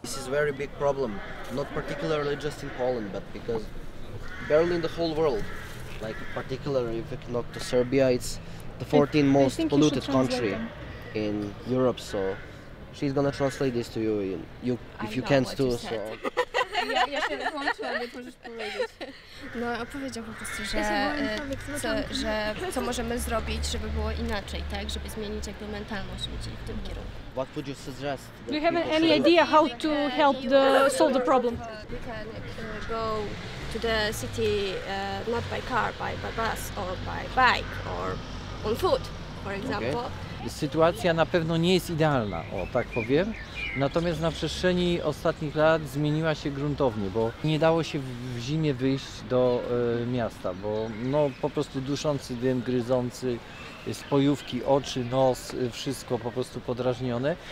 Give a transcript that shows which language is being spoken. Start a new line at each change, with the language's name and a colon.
English: This is a very big problem, not particularly just in Poland, but because barely in the whole world, like particularly if we can look to Serbia, it's the 14th most polluted country in Europe, so she's gonna translate this to you, in, you if you know can't do so.
Polish: Ja się wyłączyłam, nie możesz powiedzieć. No, opowiedział po prostu, że co możemy zrobić, żeby było inaczej, tak? Żeby zmienić jakby mentalność ludzi w tym kierunku.
English: What would you suggest? Do you have any idea how to help solve the problem? You can go to the city not by car, by bus or by bike or on foot, for example. Okay.
Polish: Sytuacja na pewno nie jest idealna, o tak powiem. Natomiast na przestrzeni ostatnich lat zmieniła się gruntownie, bo nie dało się w zimie wyjść do miasta, bo no, po prostu duszący dym, gryzący, spojówki, oczy, nos, wszystko po prostu podrażnione.